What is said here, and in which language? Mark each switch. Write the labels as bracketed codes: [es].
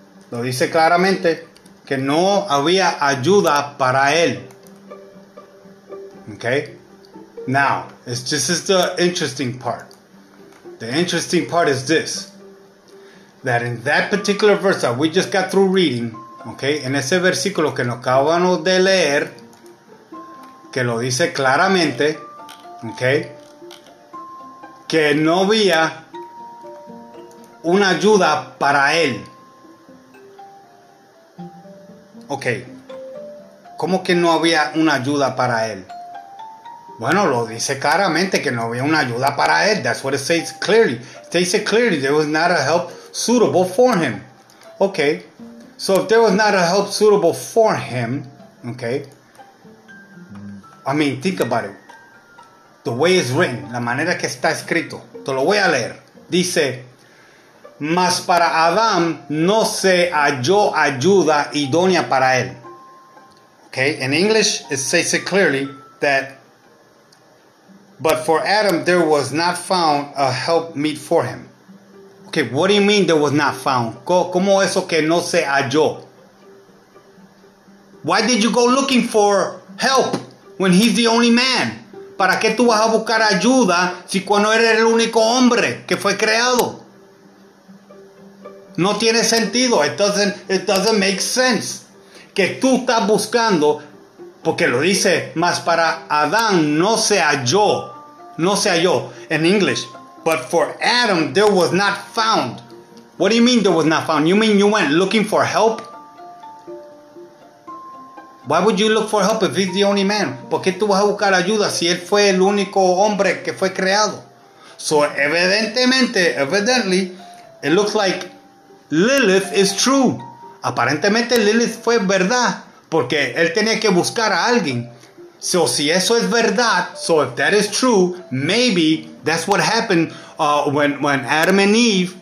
[es] Lo dice claramente. Que no había ayuda para él. Okay? [en] Now, this is the interesting part. The interesting part is this. That in that particular verse that we just got through reading, okay? [es] En ese versículo que nos acabamos de leer, que lo dice claramente, okay? Que no había una ayuda para él. Ok. ¿Cómo que no había una ayuda para él? Bueno, lo dice claramente que no había una ayuda para él. [en] That's what it says clearly. It says it clearly. There was not a help suitable for him. Ok. So if there was not a help suitable for him. Ok. I mean, think about it. The way it's written, [es] la manera que está escrito. Te lo voy a leer. Dice, mas para Adán no se halló ayuda idónea para él. [en] Okay, in English it says it clearly that, but for Adam there was not found a help meet for him. Okay, what do you mean there was not found? [es] ¿Cómo eso que no se halló? [en] Why did you go looking for help when he's the only man? [es] ¿Para qué tú vas a buscar ayuda si cuando eres el único hombre que fue creado? No tiene sentido. [en] It doesn't make sense. [es] Que tú estás buscando, porque lo dice, mas para Adán no se halló. No se halló en English. [en] But for Adam, there was not found. What do you mean there was not found? You mean you went looking for help? Why would you look for help if he's the only man? [es] ¿Por qué tú vas a buscar ayuda si él fue el único hombre que fue creado? [en] So evidently, it looks like Lilith is true. [es] Aparentemente Lilith fue verdad, porque él tenía que buscar a alguien. [en] So [es] si eso es verdad, [en] so if that is true, maybe that's what happened when Adam and Eve,